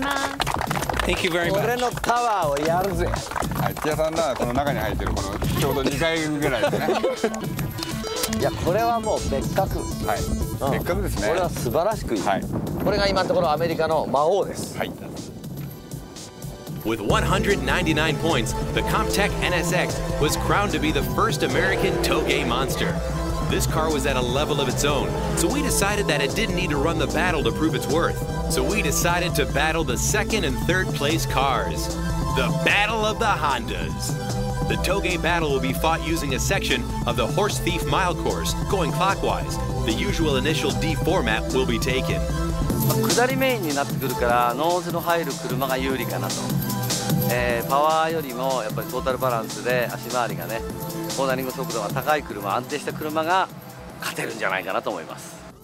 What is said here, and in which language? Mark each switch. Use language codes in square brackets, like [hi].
[en] ます。Thank you very much. [ja] 俺のタワーをやるぜ。はい、土屋さんならこの中に入ってるこのちょうど2階ぐらいですね。いやこれはもう別格、はい、うん、別格ですね。これは素晴らしくいい、はい、これが今のところアメリカの魔王です、はい、 [en] With 199 points, the Comptech NSX was crowned to be the first American Togue monster. This car was at a level of its own, so we decided that it didn't need to run the battle to prove its worth. So we decided to battle the second and third place cars. The Battle of the Hondas. The Togue battle will be fought using a section of the Horse Thief Mile course, going clockwise. The usual initial D format will be taken. [ja] 下りメインになってくるからノーズの入る車が有利かなと、パワーよりもやっぱりトータルバランスで足回りがね、コーナリング速度が高い車、安定した車が勝てるんじゃないかなと思います。